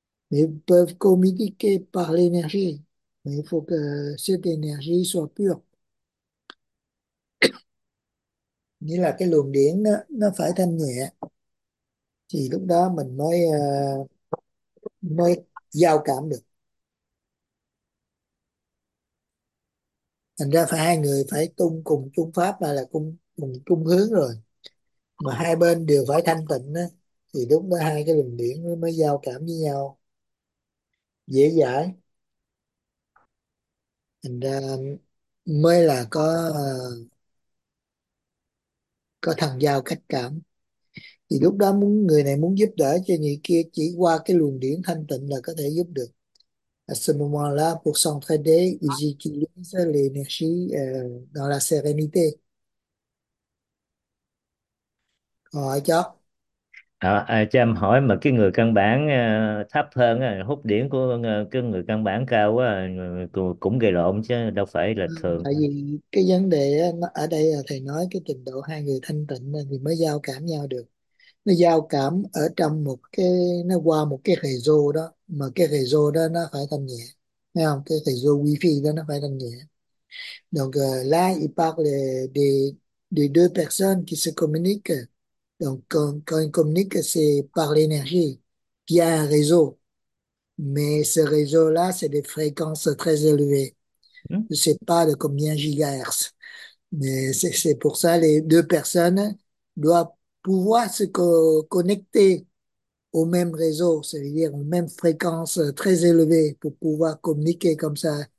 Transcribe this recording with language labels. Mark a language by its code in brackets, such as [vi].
[fr] Mais peuvent communiquer par l'énergie, mais il faut que cette énergie soit pure. [vi] Nghĩa là cái luồng điển đó, nó phải thanh nhẹ thì lúc đó mình mới giao cảm được. Thành ra phải hai người phải tung cùng chung pháp là cùng cùng chung hướng rồi, mà hai bên đều phải thanh tịnh đó, thì lúc đó hai cái luồng điển mới giao cảm với nhau dễ dãi, thành ra mới là có thần giao cách cảm. Thì lúc đó muốn người này muốn giúp đỡ cho người kia, chỉ qua cái luồng điển thanh tịnh là có thể giúp được. [fr] À ce moment-là, pour s'entraider, ils utilisent l'énergie dans la sérénité. [vi] Rồi chó. Cho em hỏi mà cái người căn bản thấp hơn hút điển của cái người căn bản cao quá cũng gây lộn chứ đâu phải là thường. Tại vì cái vấn đề ở đây là thầy nói cái trình độ hai người thanh tịnh thì mới giao cảm nhau được. Nó giao cảm ở trong một cái, nó qua một cái hệ rô đó, mà cái hệ rô đó nó phải thanh nhẹ, thấy không? Cái hệ rô wifi phi đó nó phải thanh nhẹ. [fr] Donc là il parle des deux personnes qui se communiquent. Donc quand ils communiquent c'est par l'énergie via un réseau, mais ce réseau là c'est des fréquences très élevées. Je ne sais pas de combien gigahertz, mais c'est pour ça que les deux personnes doivent pouvoir se connecter au même réseau, c'est-à-dire aux mêmes fréquences très élevées pour pouvoir communiquer comme ça.